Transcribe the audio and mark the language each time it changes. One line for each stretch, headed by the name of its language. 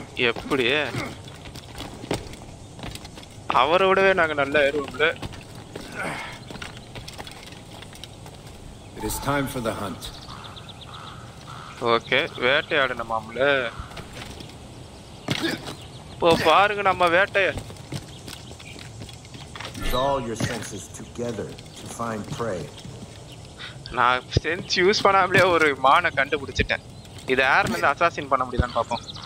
Tamil: எப்படி அவரை விடவே நாங்கள் நல்ல ஏறுவோம்ல.
English: It is time for the hunt.
Tamil: Okay, வேட்டை ஆட நம்மள போ பாருங்க நம்ம வேட்டைய.
English: Use all your senses together to find prey.
Tamil: நான் சென்ஸ் யூஸ் பண்ணாமலே ஒரு மானை கண்டுபிடிச்சிட்டேன். இது யாரு இந்த அசாசின் பண்ண முடியலாம் பாப்போம்.